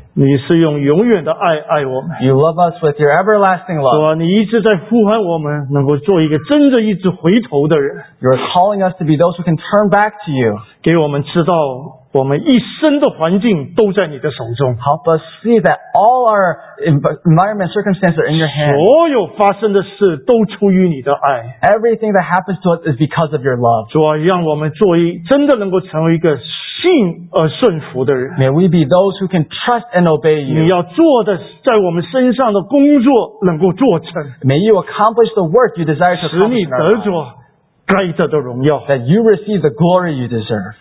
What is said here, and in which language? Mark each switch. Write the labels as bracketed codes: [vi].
[zh] 你是用永远的爱爱我们。 [en] You love us with your everlasting love. [zh] 你一直在呼唤我们，能够做一个真正一直回头的人。 [en] You are calling us to be those who can turn back to you. [zh] 给我们知道我们一生的环境都在你的手中。 [en] Help us see that all our environment circumstances are in your hands. [zh] 所有发生的事都出于你的爱。 [en] Everything that happens to us is because of your love. [zh] 主啊，让我们做一真的能够成为一个信而顺服的人。 [en] May we be those who can trust and obey you. [zh] 你要做的在我们身上的工作能够做成。 [en] May you accomplish the work you desire to accomplish. [zh] 使你得着该得的荣耀。 [en] That you receive the glory you deserve.